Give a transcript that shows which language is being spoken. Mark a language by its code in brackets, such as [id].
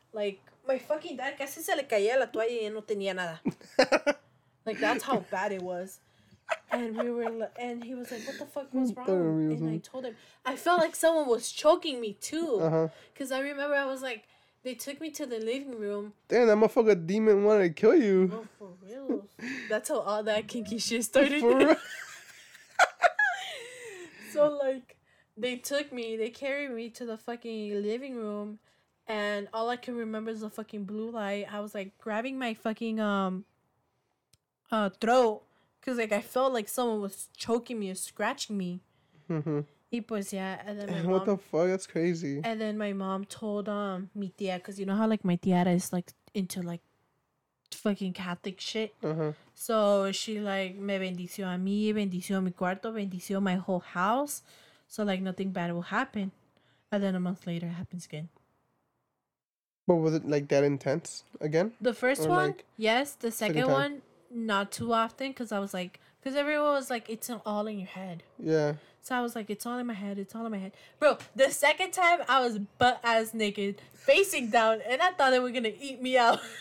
[en] Like, my fucking dad [es] casi se le caía la toalla y no tenía nada. [en] Like, that's how bad it was. And we were, and he was like, what the fuck was wrong? And I told him, I felt like someone was choking me, too. Uh-huh. Because I remember I was like, They took me to the living room. Damn, that motherfucker demon wanted to kill you. Oh, for real. That's how all that kinky shit started. For real. So, like, they took me, they carried me to the fucking living room, and all I can remember is the fucking blue light. I was, like, grabbing my fucking throat, because, like, I felt like someone was choking me or scratching me. Mm-hmm. [es] Y pues, [en] yeah, and then my mom, what the fuck? That's crazy. And then my mom told [es] mi tía, [en] because you know how, like, my tía is, like, into, like, fucking Catholic shit. So she like [es] me bendició a mí, bendició mi cuarto, bendició [en] my whole house, so like nothing bad will happen. And then a month later it happens again. But was it like that intense again? The first or one, like, yes. The second one, not too often, because I was like, because everyone was like, it's all in your head. Yeah. So I was like, it's all in my head. It's all in my head. Bro, the second time I was butt ass naked facing down, and I thought they were gonna eat me out.